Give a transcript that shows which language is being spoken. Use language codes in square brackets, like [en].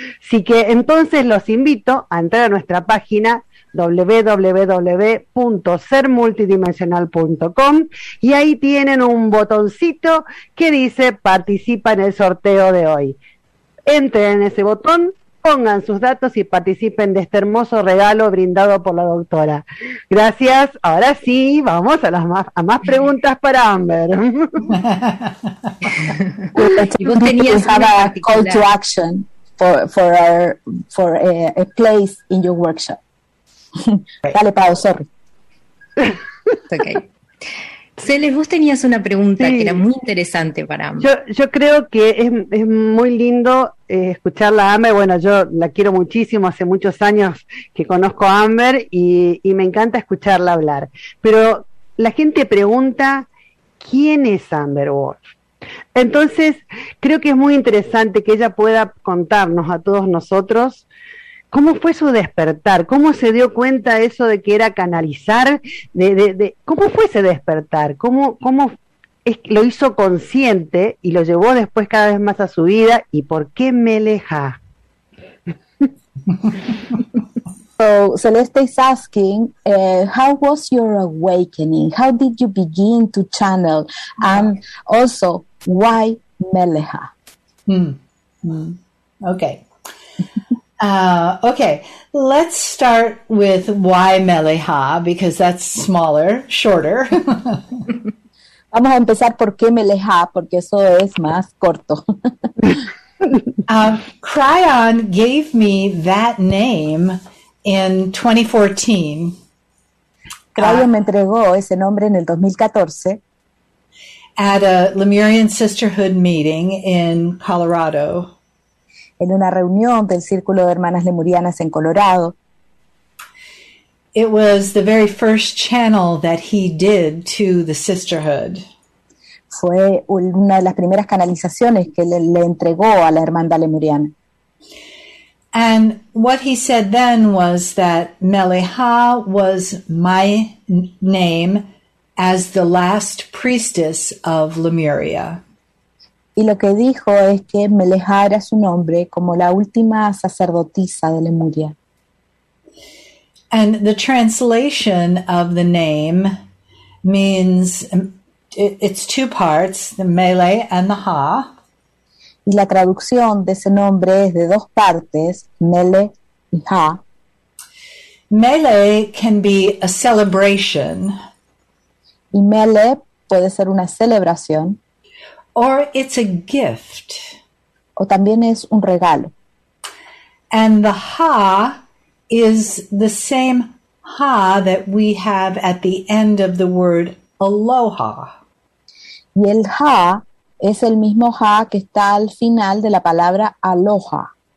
[es] Así que entonces los invito a entrar a nuestra página www.sermultidimensional.com y ahí tienen un botoncito que dice participa en el sorteo de hoy. Entren en ese botón, pongan sus datos y participen de este hermoso regalo brindado por la doctora. Gracias. Ahora sí, vamos a las más preguntas para Amber. [en] Call to action for a place in your workshop. [es] Dale, Pao, sorry. Okay. Celes, vos tenías una pregunta, sí, que era muy interesante para Amber. Yo creo que es muy lindo escucharla a Amber. Bueno, yo la quiero muchísimo, hace muchos años que conozco a Amber y me encanta escucharla hablar. Pero la gente pregunta, ¿quién es Amber Wolf? Entonces, creo que es muy interesante que ella pueda contarnos a todos nosotros ¿cómo fue su despertar? ¿Cómo se dio cuenta eso de que era canalizar? ¿Cómo fue ese despertar? ¿Cómo lo hizo consciente y lo llevó después cada vez más a su vida? ¿Y por qué Meleja? [en] So, Celeste is asking, how was your awakening? How did you begin to channel? And also, why Meleja? Okay. Okay, let's start with why Meleja, because that's smaller, shorter. [es] Vamos a empezar por qué Meleja, porque eso es más corto. [en] Kryon gave me that name in 2014. [es] Kryon me entregó ese nombre en el 2014. [en] At a Lemurian Sisterhood meeting in Colorado. [es] En una reunión del Círculo de Hermanas Lemurianas en Colorado. [en] It was the very first channel that he did to the sisterhood. [es] Fue una de las primeras canalizaciones que le entregó a la hermandad lemuriana. [en] And what he said then was that Meleja was my name as the last priestess of Lemuria. [es] Y lo que dijo es que Meleja era su nombre como la última sacerdotisa de Lemuria. [en] And the translation of the name means it's two parts, the Mele and the Ha. [es] Y la traducción de ese nombre es de dos partes, Mele y Ha. [en] Mele can be a celebration. [es] Y Mele puede ser una celebración. [en] Or it's a gift. [es] O también es un regalo. [en] And the Ha is the same Ha that we have at the end of the word Aloha. [es] Y el Ha es el mismo Ha que está al final de la palabra Aloha.